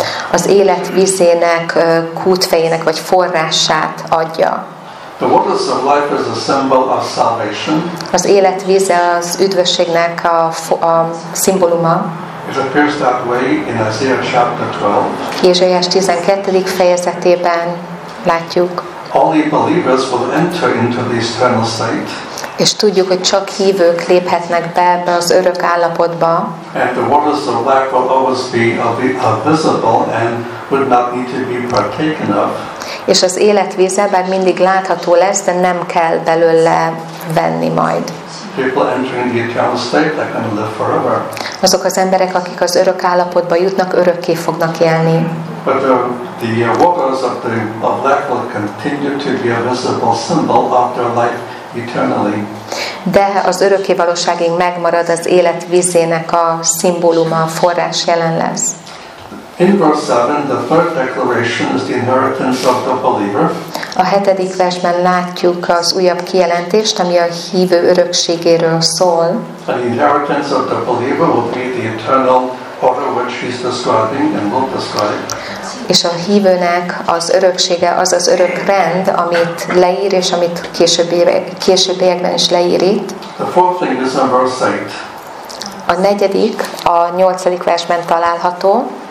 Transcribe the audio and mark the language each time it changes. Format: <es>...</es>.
<hu>Az élet vizének kútfejének vagy forrását adja.</hu> <en>The waters of life is a symbol of salvation.</en> <hu>Az élet vize az üdvösségnek a szimbóluma.</hu> <en>It appears that way in Isaiah chapter 12.</en> <hu>Ézsaiás 12. fejezetében látjuk.</hu> <en>Only believers will enter into the eternal state.</en> <hu>És tudjuk, hogy csak hívők léphetnek be ebbe az örök állapotba.</hu> <en>And the waters of life will always be visible and would not need to be partaken of.</en> <hu>És az élet víze bár mindig látható lesz, de nem kell belőle venni majd.</hu> <en>People entering the eternal state, they can live forever.</en> <hu>Azok az emberek, akik az örök állapotba jutnak, örökké fognak élni.</hu> <en>But the waters of the of life will continue to be a visible symbol of their life eternally.</en> <hu>De az örökké valóságig megmarad az élet vízének a szimbóluma, a forrás jelen lesz.</hu> <en>In verse 7, the third declaration is the inheritance of the believer.</en> <hu>A hetedik versben látjuk az újabb kijelentést, ami a hívő örökségéről szól.</hu> <en>And the inheritance of the believer will be the eternal order which he's describing and will describe.</en> <hu>És a hívőnek az öröksége az az örök rend, amit leír, és amit későbbiekben is leír itt.</hu> <en>The fourth thing is in verse 8.</en> <hu>A negyedik, a nyolcadik versben található.</hu>